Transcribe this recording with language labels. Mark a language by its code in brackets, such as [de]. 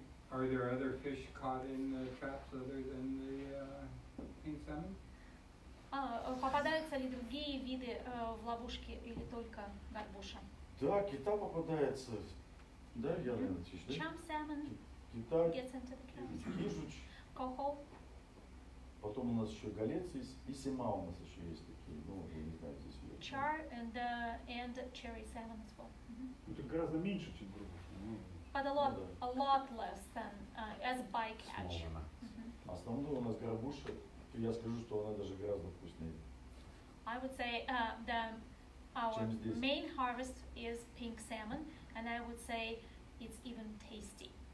[en] Are there other fish caught in the traps other than the pink salmon? [ru] Попадаются ли другие виды в ловушке или только горбуша? Да, кита попадается. Да, я не отвечу. [en] Chum salmon. [ru] Кита. [en] Gets into the traps. [ru] Кижуч. [en] Кохо. [ru] Потом у нас еще голец есть, и сима у нас еще есть такие, ну, я не знаю, здесь есть. [en] Char and cherry salmon as well. Mm-hmm. [ru] Это гораздо меньше, чем другие. Mm-hmm. [en] But a lot less than as bycatch. Mm-hmm. [ru] Основное у нас горбуша, я скажу, что она даже гораздо вкуснее. [en] I would say our main harvest is pink salmon, and I would say it's even tasty.